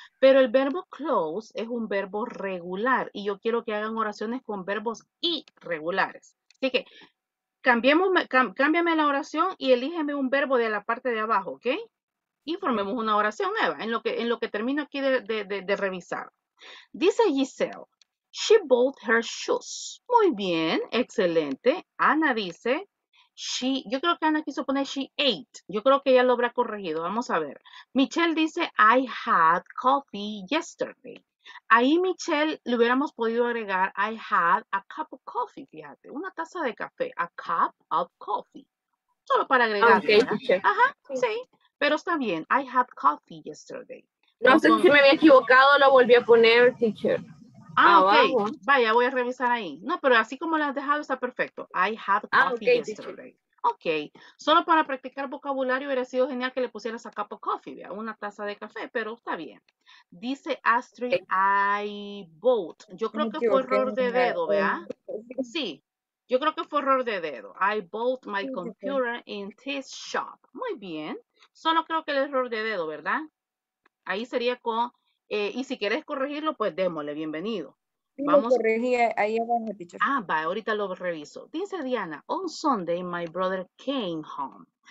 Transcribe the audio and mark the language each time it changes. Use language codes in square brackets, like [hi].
[es] Pero el verbo close es un verbo regular. Y yo quiero que hagan oraciones con verbos irregulares. Así que cámbiame la oración y elígeme un verbo de la parte de abajo, ¿ok? Y formemos una oración nueva en lo que termino aquí de revisar. [en] Dice Giselle, she bought her shoes. [es] Muy bien, excelente. Ana dice, yo creo que Ana quiso poner she ate. Yo creo que ella lo habrá corregido. Vamos a ver. Michelle dice, I had coffee yesterday. Ahí, Michelle, le hubiéramos podido agregar, I had a cup of coffee, fíjate, una taza de café, a cup of coffee. Solo para agregar. Okay, Michelle. Ajá, sí. [en] Pero está bien, I had coffee yesterday. [es] No sé si me había equivocado, lo volví a poner, teacher. Ah, abajo. Ok. Vaya, voy a revisar ahí. No, pero así como lo has dejado, está perfecto. I had coffee yesterday. Ok. Solo para practicar vocabulario hubiera sido genial que le pusieras a cup of coffee, ¿verdad? Una taza de café, pero está bien. [en] Dice Astrid, okay. I bought. [es] Yo creo que fue error de dedo, ¿verdad? Sí. Yo creo que fue error de dedo. [en] I bought my computer in this shop. [es] Muy bien. Solo creo que el error de dedo, ¿verdad? Ahí sería con, y si quieres corregirlo, pues démosle, bienvenido. Sí, vamos. Lo corregí ahí abajo, teacher. Ah, va, ahorita lo reviso. [en] Dice Diana, on Sunday my brother came home.